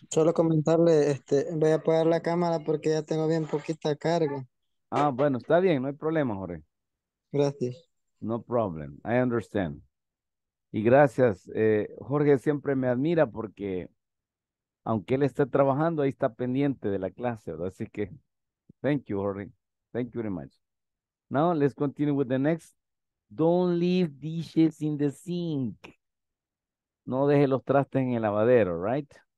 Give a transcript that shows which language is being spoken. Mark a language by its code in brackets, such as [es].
[es] Solo comentarle, voy a apagar la cámara porque ya tengo bien poquita carga. Ah, bueno, está bien, no hay problema, Jorge. Gracias. [en] No problem, I understand. [es] Y gracias, Jorge siempre me admira porque aunque él esté trabajando, ahí está pendiente de la clase, ¿verdad? Así que, [en] thank you, Jorge. Thank you very much. Now, let's continue with the next. Don't leave dishes in the sink. [es] No deje los trastes en el lavadero, right?